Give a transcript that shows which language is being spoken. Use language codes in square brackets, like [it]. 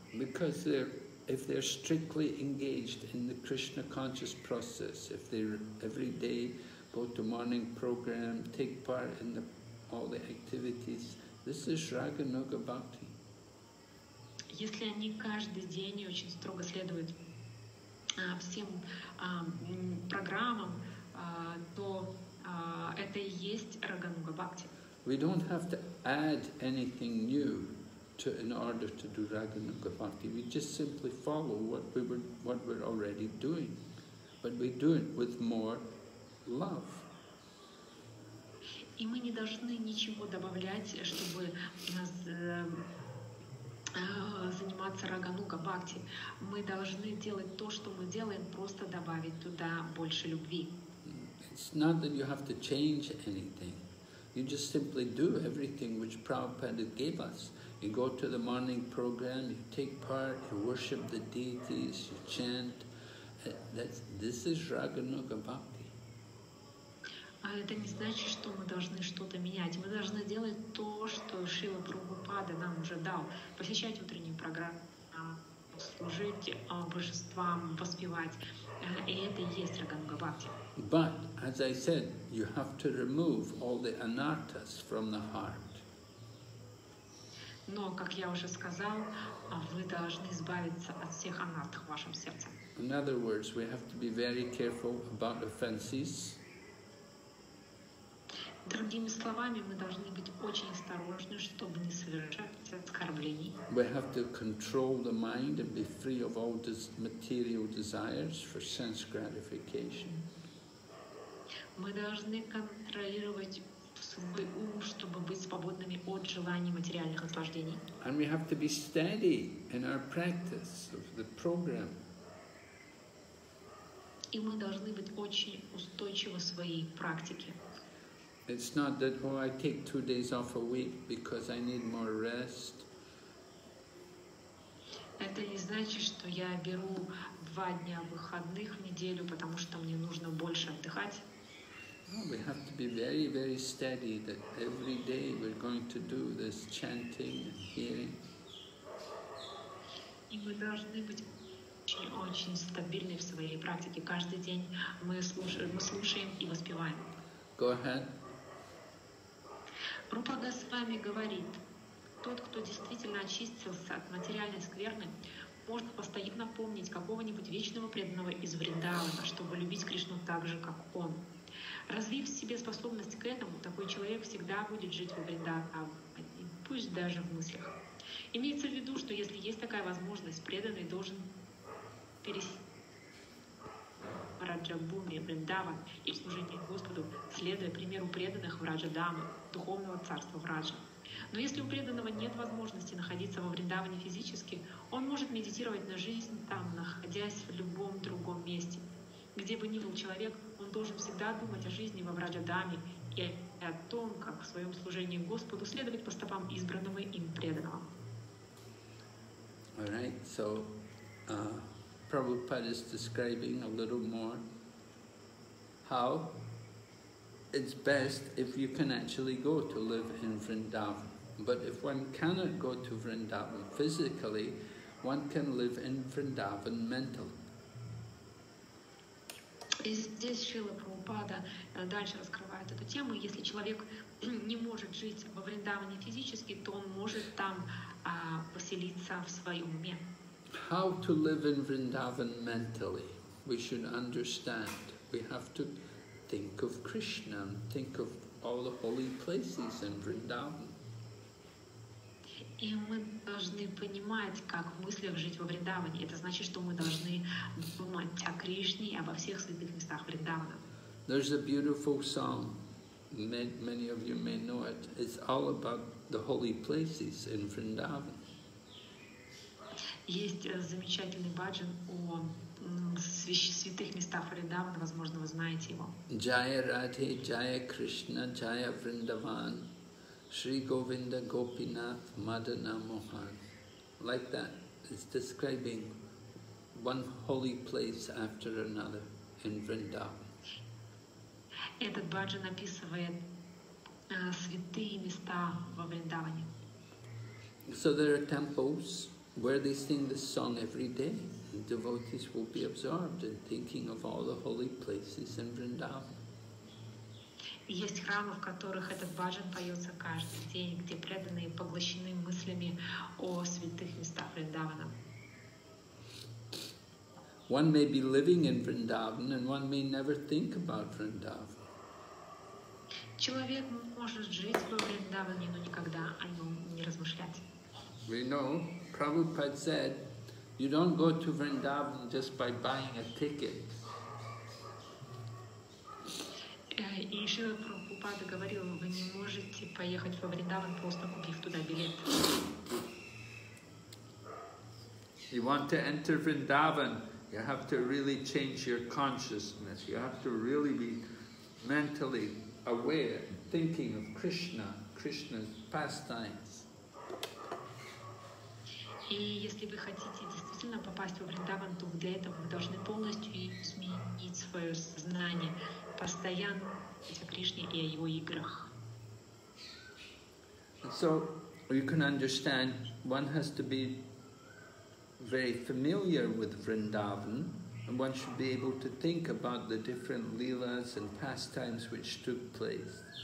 [en] Because if they're strictly engaged in the Krishna conscious process, if they every day go to morning program, take part in all the activities, this is Raganuga Bhakti. [ru] Если они каждый день очень строго следуют всем программам, то это и есть Раганга Бхакти. [en] We don't have to add anything new to in order to do Raganuga Bhakti. We just simply follow what we're already doing, but we do it with more love. [ru] И мы не должны ничего добавлять, чтобы заниматься Рагануга Бхакти. Мы должны делать то, что мы делаем, просто добавить туда больше любви. [en] It's not that you have to change anything. You just simply do everything which Prabhupada gave us. You go to the morning program, you take part, you worship the deities, you chant. This is Raganuga Bhakti. [ru] Это не значит, что мы должны что-то менять. Мы должны делать то, что Шрила Прабхупада нам уже дал. Посещать утреннюю программу, служить божествам, воспевать. И это и есть Раганга Бхакти. [en] But, as I said, you have to remove all the anarthas from the heart. [ru] Но, как я уже сказал, вы должны избавиться от всех анартх в вашем сердце. [en] In other words, we have to be very careful about offenses. [ru] Другими словами, мы должны быть очень осторожны, чтобы не совершать оскорблений. [en] We have to control the mind and be free of all these material desires for sense gratification. [ru] Мы должны контролировать свой ум, чтобы быть свободными от желаний материальных наслаждений. [en] And we have to be steady in our practice of the program. [ru] И мы должны быть очень устойчивы в своей практике. [en] It's not that, oh, I take 2 days off a week because I need more rest. [ru] Это не значит, что я беру 2 дня выходных в неделю, потому что мне нужно больше отдыхать. [en] No, we have to be very, very steady that every day we're going to do this chanting and hearing. [ru] И мы должны быть очень стабильны в своей практике. Каждый день мы слушаем и воспеваем. [en] Go ahead. [ru] Рупа Госвами говорит, тот, кто действительно очистился от материальной скверны, может постоянно помнить какого-нибудь вечного преданного из Вриндавана, чтобы любить Кришну так же, как он. Развив в себе способность к этому, такой человек всегда будет жить в Вриндаване, пусть даже в мыслях. Имеется в виду, что если есть такая возможность, преданный должен пересечь Раджа-бхуми, Вриндаван и служение Господу, следуя примеру преданных в Раджа-дамы, духовного царства в Раджа. Но если у преданного нет возможности находиться во Вриндаване физически, он может медитировать на жизнь там, находясь в любом другом месте. Где бы ни был человек, он должен всегда думать о жизни во Раджа-даме и о том, как в своем служении Господу следовать по стопам избранного им преданного. [en] All right, so, Prabhupada is describing a little more how it's best if you can actually go to live in Vrindavan. But if one cannot go to Vrindavan physically, one can live in Vrindavan mentally. [ru] И здесь Шрила Прабхупада дальше раскрывает эту тему. Если человек не может жить во Вриндаване физически, то он может там поселиться в своем уме. [en] How to live in Vrindavan mentally? We should understand. We have to think of Krishna and think of all the holy places in Vrindavan. [ru] И мы должны понимать, как в мыслях жить во Вриндаване. Это значит, что мы должны думать о Кришне и обо всех святых местах Вриндавана. [en] There's a beautiful song. Many of you may know it. It's all about the holy places in Vrindavan. [ru] Есть замечательный баджан о святых местах Вриндавана, возможно, вы знаете его. [sa] Jaya Radhe, Jaya Krishna, Jaya Vrindavan, Shri Govinda Gopinath Madana Mohan. [en] Like that, it's describing one holy place after another in Vrindavan. [ru] Этот баджан описывает святые места во Вриндаване. [en] So there are temples where they sing this song every day, and devotees will be absorbed in thinking of all the holy places in Vrindavan. [ru] Есть храмы, в которых этот баджан поется каждый день, где преданные поглощены мыслями о святых местах Вриндавана. [en] One may be living in Vrindavan, and one may never think about Vrindavan. [ru] Человек может жить во Вриндаване, но никогда о нем не размышлять. [en] We know, Prabhupada said, you don't go to Vrindavan just by buying a ticket. [ru] И Шрила Прабхупада говорил, вы не можете поехать во Вриндаван, просто купив туда билет. [en] You want to enter Vrindavan, you have to really change your consciousness. You have to really be mentally aware, thinking of Krishna, Krishna's pastimes. [ru] И если вы хотите действительно попасть во Вриндаван, то для этого вы должны полностью изменить свое сознание, постоянно думать о Кришне и о его играх. [en] So you can understand, one has to be very familiar with Vrindavan, and one should be able to think about the different leelas and pastimes which took place.